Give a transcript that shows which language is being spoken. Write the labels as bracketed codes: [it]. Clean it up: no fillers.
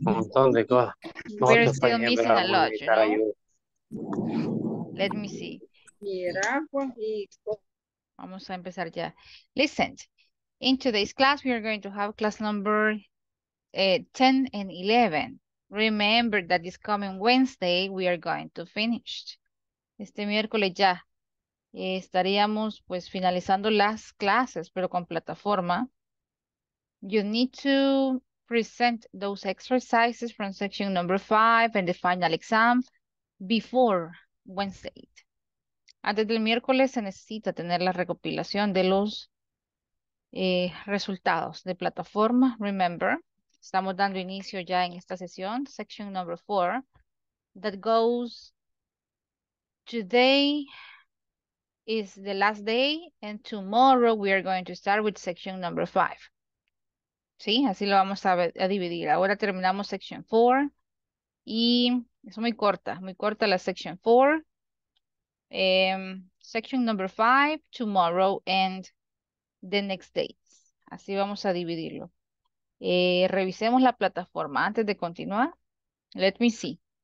[en] We're still missing a lot, you know? Let me see. [es] Vamos a empezar ya. [en] Listen, in today's class, we are going to have class number 10 and 11. Remember that this coming Wednesday, we are going to finish. [es] Este miércoles ya. Estaríamos pues finalizando las clases, pero con plataforma. [en] You need to present those exercises from section number 5 and the final exam before Wednesday. [es] Antes del miércoles se necesita tener la recopilación de los resultados de plataforma. [en] Remember, [es] estamos dando inicio ya en esta sesión, [en] section number 4, that goes today. Is the last day, and tomorrow we are going to start with section number 5. [es] Sí, así lo vamos a dividir. Ahora terminamos section 4, y es muy corta la section 4. [en] Section number 5, tomorrow, and the next days. [es] Así vamos a dividirlo. Revisemos la plataforma antes de continuar. [en] Let me see.